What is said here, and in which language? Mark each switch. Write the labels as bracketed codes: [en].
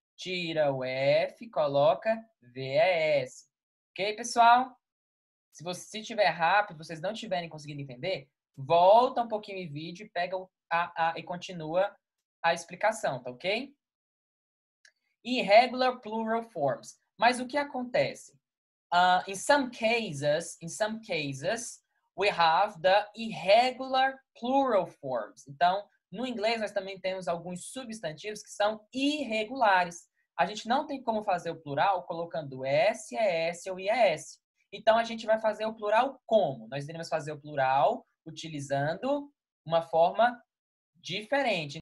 [pt] Tira o F, coloca VES. Ok, pessoal? Se você tiver rápido, vocês não tiverem conseguido entender, volta um pouquinho o vídeo e pega e continua a explicação, tá ok? [en] Irregular plural forms. [pt] Mas o que acontece? [en] In some cases, we have the irregular plural forms. [pt] Então, no inglês, nós também temos alguns substantivos que são irregulares. A gente não tem como fazer o plural colocando S, ES ou IES. Então, a gente vai fazer o plural como? Nós iremos fazer o plural utilizando uma forma diferente.